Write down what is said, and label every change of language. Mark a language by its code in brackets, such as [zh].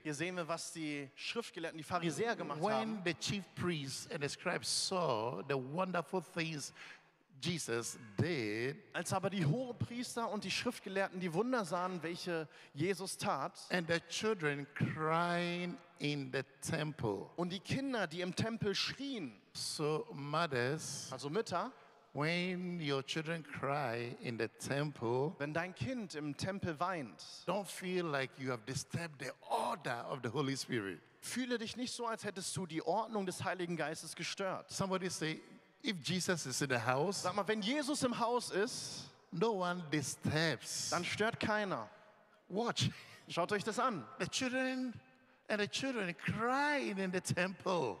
[de] Hier sehen wir, was die Schriftgelehrten, die Pharisäer gemacht [en] when [de] haben. [en] When the chief priests and the scribes saw the wonderful things Jesus did, [de] als aber die Hohepriester und die Schriftgelehrten die Wunder sahen, welche Jesus tat, [en] and the children crying in the temple, [de] und die Kinder, die im Tempel schrien, [en] so mothers, [de] also Mütter, [en] when your children cry in the temple, [de] wenn dein Kind im Tempel weint, [en] don't feel like you have disturbed the order of the Holy Spirit. [de] Fühle dich nicht so, als hättest du die Ordnung des Heiligen Geistes gestört. [en] Somebody say, if Jesus is in the house, [de] sag mal, wenn Jesus im Haus ist, [en] no one disturbs. [de] Dann stört keiner. [en] Watch. [de] Schaut euch das an. [en] The children and the children crying in the temple.